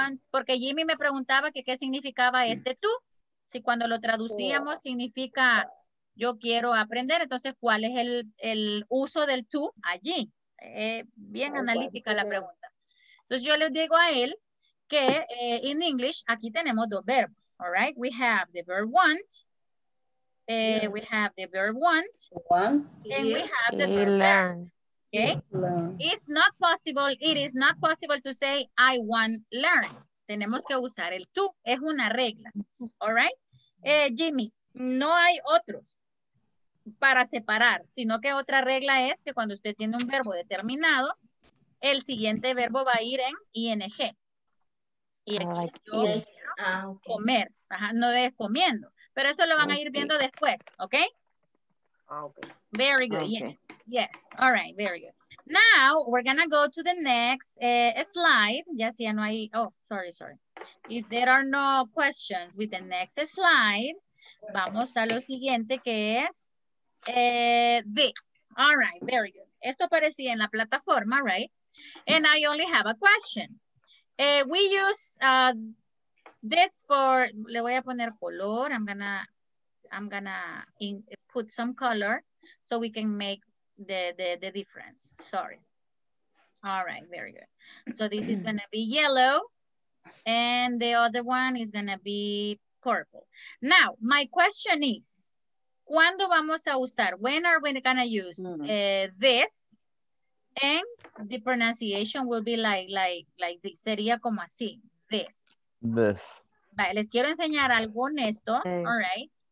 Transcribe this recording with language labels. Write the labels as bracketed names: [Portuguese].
[Spanish] Porque Jimmy me preguntaba que qué significaba este tú. Si cuando lo traducíamos significa yo quiero aprender, entonces, ¿cuál es el uso del tú allí? Bien analítica la pregunta. Entonces yo le digo a él que [English] in English [Spanish] aquí tenemos dos verbos, [English] all right? We have the verb want, we have the verb want, and we have the verb learn. Okay? Learn. It is not possible to say I want learn. [Spanish] Tenemos que usar el tú, es una regla, [English] all right? [Spanish] Jimmy, no hay otros para separar, sino que otra regla es que cuando usted tiene un verbo determinado, el siguiente verbo va a ir en ing. Y aquí yo quiero comer. Ajá, no es comiendo. Pero eso lo van a ir viendo después, ¿ok? [English] Okay. Very good. Okay. Yes. All right. Very good. Now, we're going to go to the next slide. [Spanish] Ya si ya no hay... [English] Oh, sorry. If there are no questions with the next slide, [Spanish] vamos a lo siguiente que es [English] this. All right. Very good. [Spanish] Esto aparecía en la plataforma, [English] right? And I only have a question. We use this for, [Spanish] le voy a poner color. [English] I'm gonna put some color so we can make the difference. Sorry. All right, very good. So this is gonna be yellow and the other one is gonna be purple. Now, my question is, [Spanish] ¿cuándo vamos a usar? [English] When are we gonna use this? And the pronunciation will be like this. [Spanish] Sería como así, this. [English] This. [Spanish] Vale, les quiero enseñar algo en esto, [English] all right.